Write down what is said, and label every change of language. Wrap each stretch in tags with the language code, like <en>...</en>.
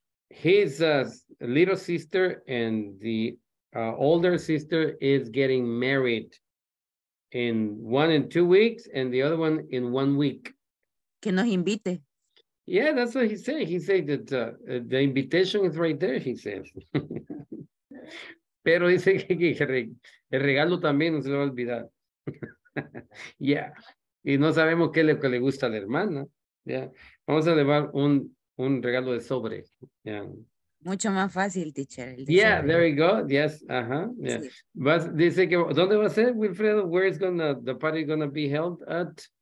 <en>His little sister and the older sister is getting married in 1 and 2 weeks, and the other one in 1 week.</en> <es>Que nos invite.</es> <en>Yeah, that's what he said. He said that the invitation is right there, he says.</en> <es>Pero dice que el regalo también no se lo va a olvidar. Yeah. Y no sabemos qué es lo que le gusta a la hermana. Yeah. Vamos a llevar un regalo de sobre. Yeah. Mucho más fácil, teacher.</es> <en>Yeah, sobre. There we go. Yes. Uh-huh. Yeah. Sí.</en> <es>Vas, dice que, ¿dónde va a ser, Wilfredo?</es> <en>Where is gonna, the party going to be held at?</en>